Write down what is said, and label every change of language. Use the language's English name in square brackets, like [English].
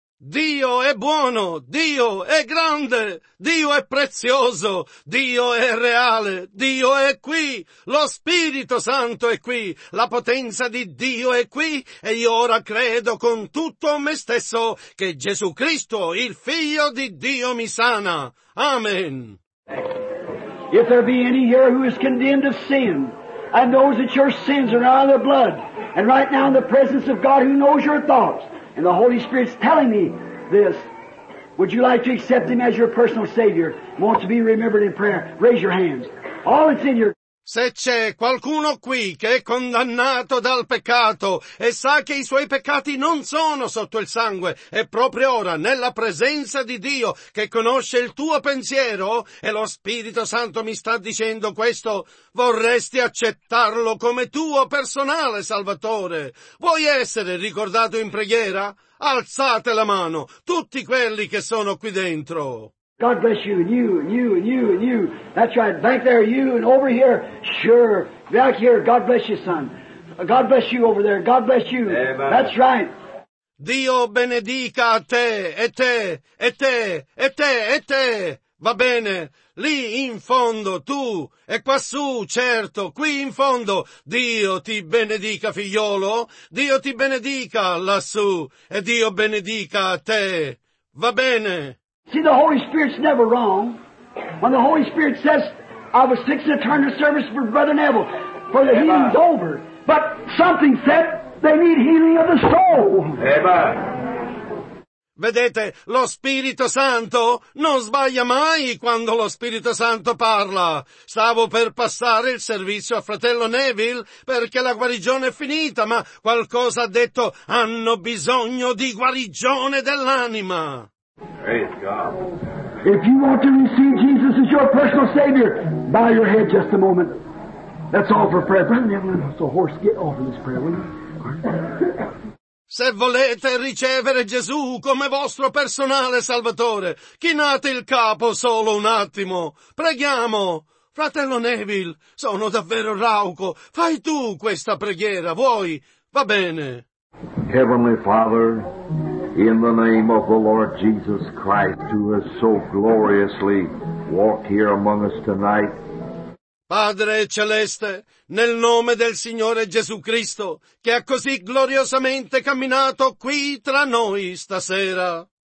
[Italian] Dio è buono, Dio è grande, Dio è prezioso, Dio è reale, Dio è qui, lo Spirito Santo è qui, la potenza di Dio è qui e io ora credo con tutto me stesso che Gesù Cristo, il Figlio di Dio, mi sana. Amen. [English] If there be any here who is condemned of sin and knows that your sins are not of the blood and right now in the presence of God who knows your thoughts, and the Holy Spirit's telling me this, would you like to accept Him as your personal Savior? Wants to be remembered in prayer. Raise your hands. All that's in your... [Italian] Se c'è qualcuno qui che è condannato dal peccato e sa che i suoi peccati non sono sotto il sangue, è proprio ora nella presenza di Dio che conosce il tuo pensiero e lo Spirito Santo mi sta dicendo questo, vorresti accettarlo come tuo personale Salvatore? Vuoi essere ricordato in preghiera? Alzate la mano, tutti quelli che sono qui dentro. [English] God bless you, and you, and you, and you, and you. That's right, back there, you, and over here, sure. Back here, God bless you, son. God bless you over there, God bless you. Amen. That's right. [Italian] Dio benedica a te, e te, e te, e te, e te. Va bene, lì in fondo, tu, e quassù, certo, qui in fondo. Dio ti benedica, figliolo. Dio ti benedica lassù, e Dio benedica a te. Va bene. [English] See, the Holy Spirit's never wrong. When the Holy Spirit says, I was fixing to turn the service for Brother Neville, for the Amen. Healing's over. But something said they need healing of the soul. Amen. [Italian] Vedete, lo Spirito Santo non sbaglia mai quando lo Spirito Santo parla. Stavo per passare il servizio a fratello Neville perché la guarigione è finita, ma qualcosa ha detto, hanno bisogno di guarigione dell'anima. [English] Praise God. If you want to receive Jesus as your personal Savior, bow your head just a moment. That's all for prayer. Brother Neville, let the horse get off of this prayer, will you? [Italian] Se volete ricevere Gesù come vostro personale Salvatore, chinate il capo solo un attimo. Preghiamo. Fratello Neville, sono davvero rauco. Fai tu questa preghiera, vuoi? Va bene. [English] Heavenly Father, in the name of the Lord Jesus Christ, who has so gloriously walked here among us tonight. [Italian] Padre celeste, nel nome del Signore Gesù Cristo, che ha così gloriosamente camminato qui tra noi stasera.